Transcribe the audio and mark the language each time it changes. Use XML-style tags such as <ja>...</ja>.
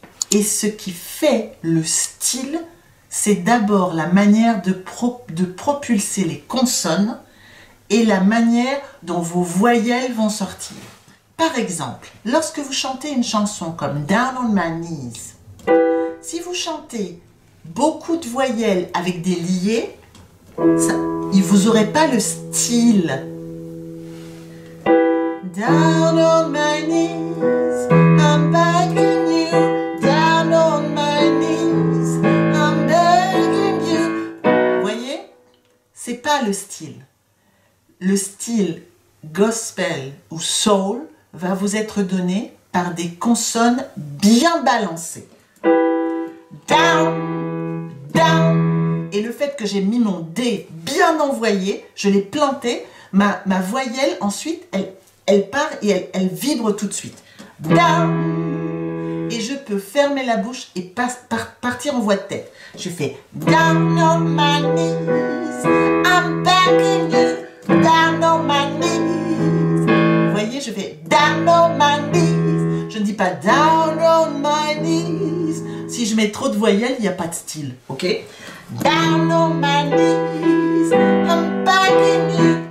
<fr>Et ce qui fait le style, c'est d'abord la manière de propulser les consonnes et la manière dont vos voyelles vont sortir. Par exemple, lorsque vous chantez une chanson comme «</fr> <en>Down on my knees</en> <fr>», si vous chantez beaucoup de voyelles avec des liées, ça, vous n'aurez pas le style.</fr> <en>Down on my knees, I'm begging you. Down on my knees, I'm begging you.</en> <fr>Vous voyez, c'est pas le style. Le style gospel ou soul va vous être donné par des consonnes bien balancées.</fr> <en>Down, down.</en> <fr>Et le fait que j'ai mis mon D bien envoyé, je l'ai planté, ma voyelle ensuite, elle part et elle vibre tout de suite.</fr> <en>Down.</en> <fr>Et je peux fermer la bouche et partir en voix de tête. Je fais</fr> <en>down on my knees, I'm begging you. Down on my knees.</en> <fr>Vous voyez, je fais</fr> <en>down on my knees.</en> <fr>Je ne dis pas</fr> <en>down on my knees.</en> <fr>Si je mets trop de voyelles, il n'y a pas de style, ok?</fr> <en>Down on my knees, I'm begging you.</en>